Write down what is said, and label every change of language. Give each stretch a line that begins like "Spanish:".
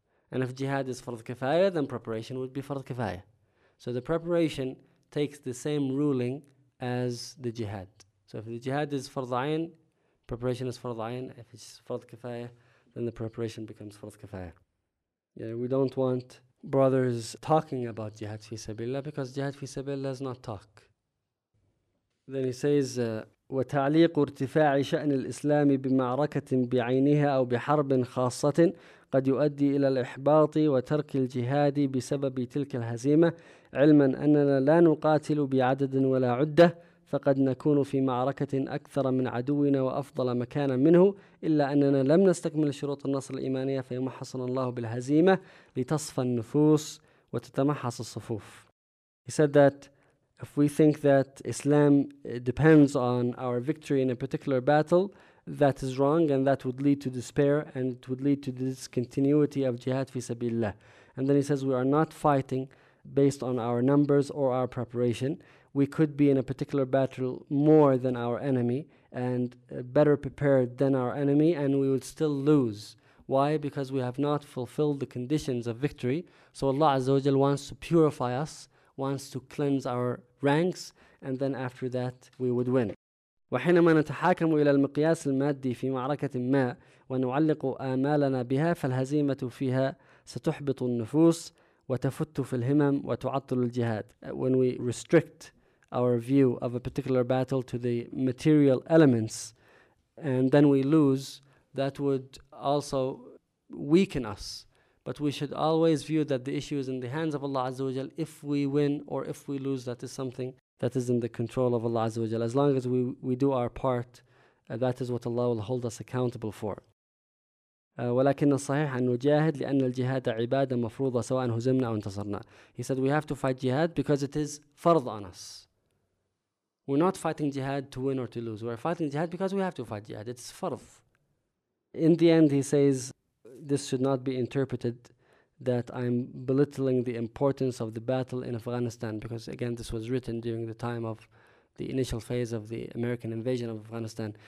English: And if jihad is fard kifaya, then preparation would be fard kifaya. So the preparation takes the same ruling as the jihad. So if the jihad is fard ayn, preparation is fard ayn. If it's fard kifaya, then the preparation becomes fard kifaya. Yeah, we don't want brothers talking about jihad fi sabilillah, because jihad fi sabilillah is not talk. Then he says,
Arabic: وتعليق ارتفاع شأن الإسلام بمعركة بعينها أو بحرب خاصة قد يؤدي إلى الإحباط وترك الجهاد بسبب تلك الهزيمة علما أننا لا نقاتل بعدد ولا عدة فقد نكون في معركة أكثر من عدونا وأفضل مكانا منه إلا أننا لم نستكمل شروط النصر الإيمانية فيمحصنا الله بالهزيمة لتصفى النفوس وتتمحص الصفوف.
English: He said that if we think that Islam depends on our victory in a particular battle, that is wrong and that would lead to despair and it would lead to the discontinuity of jihad fi sabilillah. And then he says we are not fighting based on our numbers or our preparation. We could be in a particular battle more than our enemy and better prepared than our enemy and we would still lose. Why? Because we have not fulfilled the conditions of victory. So Allah Azza wa Jal wants to purify us, wants to cleanse our ranks, and then after that we would win.
Arabic: وحينما نتحاكم إلى المقياس المادي في معركة ما ونعلق آمالنا بها فالهزيمة فيها ستحبط النفوس وتفت في الهمم وتعطل الجهاد.
English: When we restrict our view of a particular battle to the material elements and then we lose, that would also weaken us. But we should always view that the issue is in the hands of Allah Azza wa Jal. If we win or if we lose, that is something that is in the control of Allah Azza wa Jal. As long as we do our part, that is what Allah will hold us accountable for.
Arabic: ولكن الصحيح أن نجاهد لأن الجهاد عبادة مفروضة سواء هزمنا أو انتصرنا.
English: He said we have to fight jihad because it is fard on us. We're not fighting jihad to win or to lose. We're fighting jihad because we have to fight jihad. It's fard. In the end, he says, this should not be interpreted that I'm belittling the importance of the battle in Afghanistan, because again, this was written during the time of the initial phase of the American invasion of Afghanistan.